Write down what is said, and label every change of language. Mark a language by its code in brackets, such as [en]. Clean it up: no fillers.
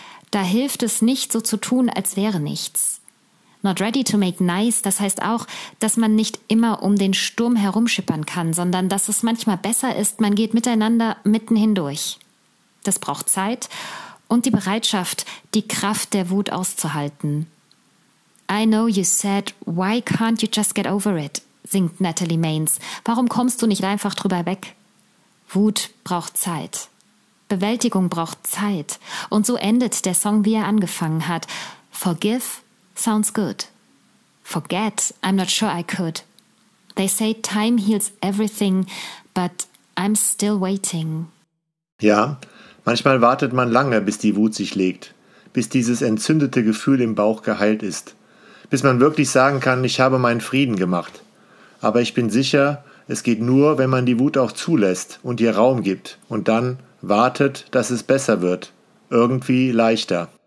[de] Da hilft es nicht, so zu tun, als wäre nichts. Not ready to make nice, das heißt auch, dass man nicht immer um den Sturm herumschippern kann, sondern dass es manchmal besser ist, man geht miteinander mitten hindurch. Das braucht Zeit und die Bereitschaft, die Kraft der Wut auszuhalten. [en] I know you said, why can't you just get over it, [de] singt Natalie Maines. Warum kommst du nicht einfach drüber weg? Wut braucht Zeit. Bewältigung braucht Zeit. Und so endet der Song, wie er angefangen hat. [en] Forgive sounds good. Forget, I'm not sure I could. They say time heals everything, but I'm still waiting. [de] Ja, manchmal wartet man lange, bis die Wut sich legt, bis dieses entzündete Gefühl im Bauch geheilt ist, bis man wirklich sagen kann, ich habe meinen Frieden gemacht. Aber ich bin sicher, es geht nur, wenn man die Wut auch zulässt und ihr Raum gibt und dann wartet, dass es besser wird, irgendwie leichter.